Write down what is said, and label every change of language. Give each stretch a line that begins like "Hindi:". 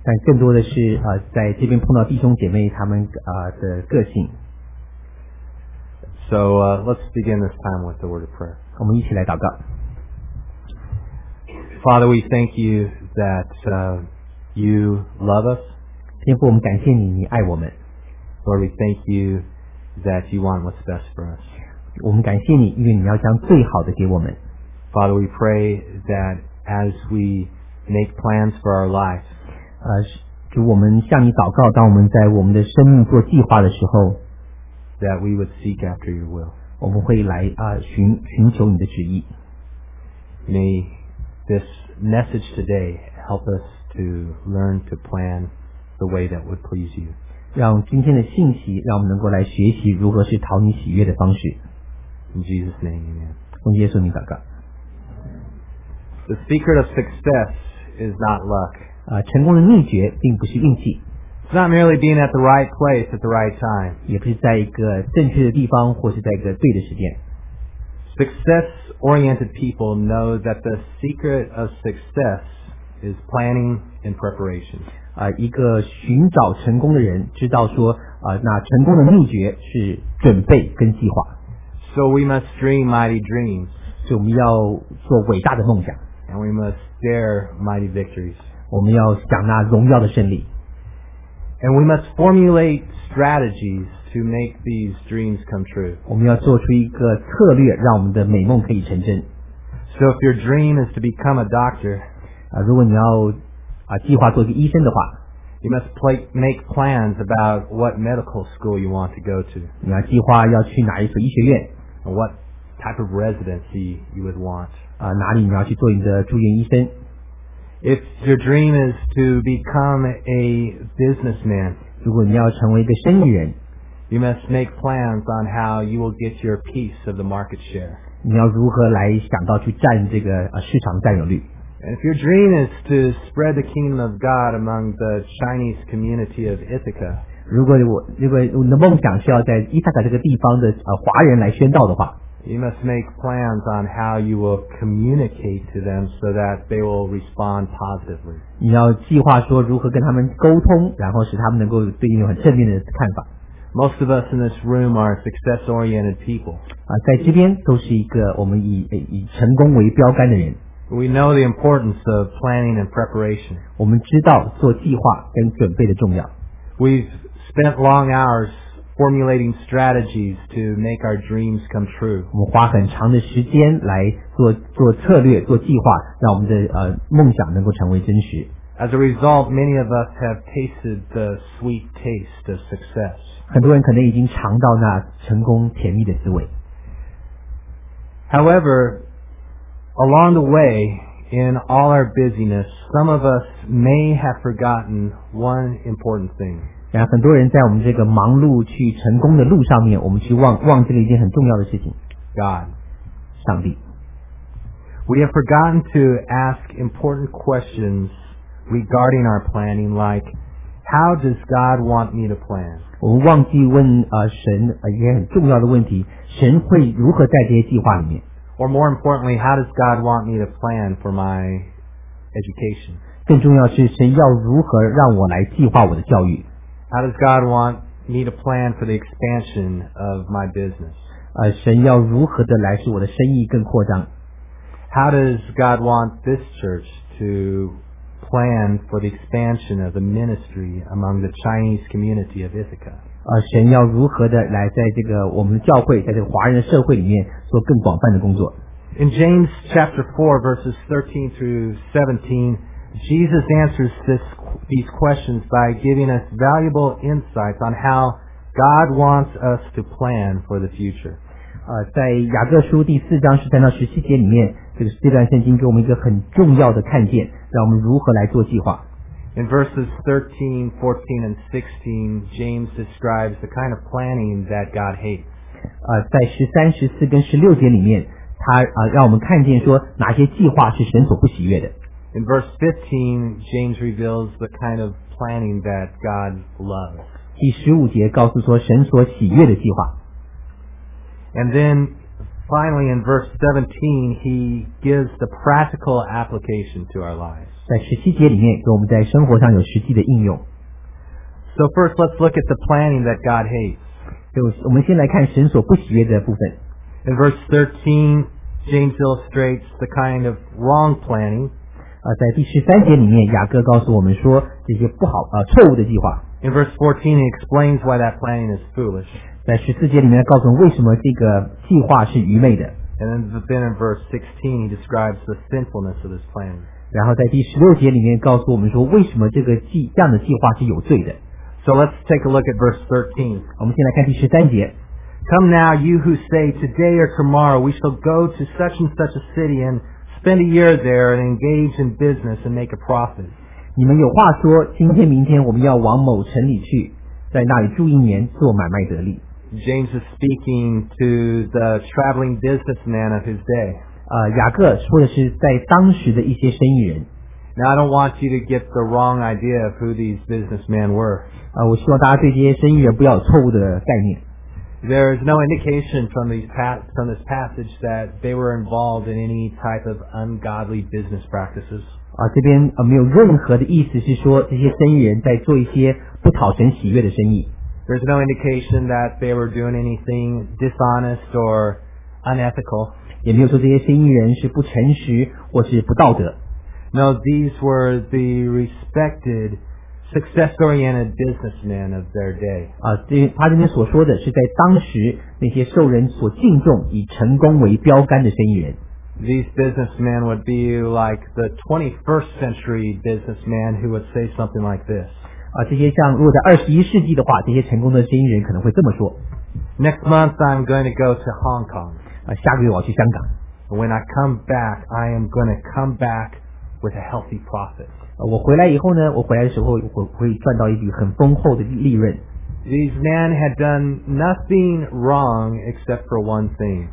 Chinese: 但更多的是在这边碰到弟兄姐妹他们的个性。
English: So let's begin this time with the word of prayer.
Chinese: 我们一起来祷告。
English: Father, we thank you that you love us.
Chinese: 天父，我们感谢你，你爱我们。
English: Lord, we thank you. That you want what's best for us.
Chinese: 我们感谢你，因为你要将最好的给我们。
English: Father, we pray that as we make plans for our life,
Chinese: 主，我们向你祷告，当我们在我们的生命做计划的时候
English: ，that we would seek after your will.
Chinese: 我们会来寻求你的旨意。
English: May this message today help us to learn to plan the way that would please you.
Chinese: 让今天的信息让我们能够来学习如何是讨你喜悦的方式。
English: In Jesus' name, amen.
Chinese: 奉耶稣名祷告。
English: The secret of success is not luck.
Chinese: 成功的秘诀并不是运气。
English: It's not merely being at the right place at the right time.
Chinese: 也不是在一个正确的地方或是在一个对的时间。
English: Success-oriented people know that the secret of success is planning and preparation.
Chinese: 一个寻找成功的人知道说那成功的秘诀是准备跟计划。
English: So we must dream mighty dreams.
Chinese: 所以我们要做伟大的梦想。
English: And we must dare mighty victories.
Chinese: 我们要想那荣耀的胜利。
English: And we must formulate strategies to make these dreams come true.
Chinese: 我们要做出一个策略让我们的美梦可以成真。
English: So if your dream is to become a doctor,
Chinese: 如果你要计划做一个医生的话
English: ，You must play, make plans about what medical school you want to go to.
Chinese: 你要计划要去哪一所医学院
English: ？What type of residency you would want?
Chinese: 哪里你要去做你的住院医生
English: ？If your dream is to become a businessman,
Chinese: 如果你要成为一个生意人
English: ，You must make plans on how you will get your piece of the market share.
Chinese: 你要如何来想到去占这个市场占有率？
English: If your dream is to spread the kingdom of God among the Chinese community of Ithaca,
Chinese: 如果你的梦想是要在伊萨卡这个地方的华人来宣道的话
English: ，you must make plans on how you will communicate to them so that they will respond positively.
Chinese: 你要计划说如何跟他们沟通，然后使他们能够对你有很正面的看法。
English: Most of us in this room are success-oriented people.
Chinese: 在这边都是一个我们以成功为标杆的人。
English: We know the importance of planning and preparation.
Chinese: 我们知道做计划跟准备的重要。
English: We've spent long hours formulating strategies to make our dreams come true.
Chinese: 我们花很长的时间来做策略、做计划，让我们的梦想能够成为真实。
English: As a result, many of us have tasted the sweet taste of success.
Chinese: 很多人可能已经尝到那成功甜蜜的滋味。
English: However,Along the way, in all our busyness, some of us may have forgotten one important thing.
Chinese: 很多人在我们这个忙碌去成功的路上面，我们去忘记了一件很重要的事情。
English: God,
Chinese: 上帝。
English: We have forgotten to ask important questions regarding our planning, like, how does God want me to plan?
Chinese: 我们忘记问神一个很重要的问题，神会如何在这些计划里面？
English: Or more importantly, how does God want me to plan for my education?
Chinese: 更重要是神要如何让我来计划我的教育？
English: How does God want me to plan for the expansion of my business?
Chinese: 神要如何的来使我的生意更扩张？
English: How does God want this church to plan for the expansion of the ministry among the Chinese community of Ithaca?
Chinese: 神要如何的来在这个我们的教会，在这个华人社会里面做更广泛的工作？
English: In James chapter 4 verses 13 through 17, Jesus answers these questions by giving us valuable insights on how God wants us to plan for the future.
Chinese: 在雅各书第四章十三到十七节里面，这个这段圣经给我们一个很重要的看见，让我们如何来做计划。
English: In verses 13, 14, and 16, James describes the kind of planning that God hates.
Chinese: 在13, 14, 跟16节里面，他让我们看见说哪些计划是神所不喜悦的。
English: In verse 15, James reveals the kind of planning that God loves.
Chinese: 第15节告诉说神所喜悦的计划。
English: And then, finally, in verse 17, he gives the practical application to our lives.
Chinese: 在十七节里面，给我们在生活上有实际的应用。
English: So first, let's look at the planning that God hates.
Chinese: 就我们先来看神所不喜悦的部分。
English: In verse 13, James illustrates the kind of wrong planning.
Chinese: 在第十三节里面，雅各告诉我们说这些不好错误的计划。
English: In verse 14, he explains why that planning is foolish.
Chinese: 在十四节里面，告诉我们为什么这个计划是愚昧的。
English: And then in verse 16, he describes the sinfulness of this planning.
Chinese: 然后在第十六节里面告诉我们说为什么这个计这样的计划是有罪的。
English: So let's take a look at verse 13.
Chinese: 我们先来看第十三节。
English: Come now, you who say, today or tomorrow, we shall go to such and such a city and spend a year there and engage in business and make a profit.
Chinese: 你们有话说，今天明天我们要往某城里去，在那里住一年，做买卖得利。
English: James is speaking to the traveling businessman of his day.
Chinese: 雅各说的是在当时的一些生意人。
English: Now I don't want you to get the wrong idea of who these businessmen were.
Chinese: 我希望大家对这些生意人不要有错误的概念。
English: There is no indication from this passage that they were involved in any type of ungodly business practices.
Chinese: 这边没有任何的意思是说这些生意人在做一些不讨神喜悦的生意。
English: There's no indication that they were doing anything dishonest or unethical.
Chinese: 也没有说这些生意人是不诚实或是不道德。
English: No, these were the respected, success-oriented businessmen of their day.
Chinese: 他这边所说的是在当时那些受人所敬重、以成功为标杆的生意人。
English: These businessmen would be like the 21st century businessman who would say something like this.
Chinese: 这些像如果在21世纪的话，这些成功的生意人可能会这么说。
English: Next month, I'm going to go to Hong Kong.
Chinese: 下个月我要去香港。
English: When I come back, I am going to come back with a healthy profit.
Chinese: 我回来以后呢，我回来的时候我会赚到一笔很丰厚的利润。
English: These men had done nothing wrong except for one thing.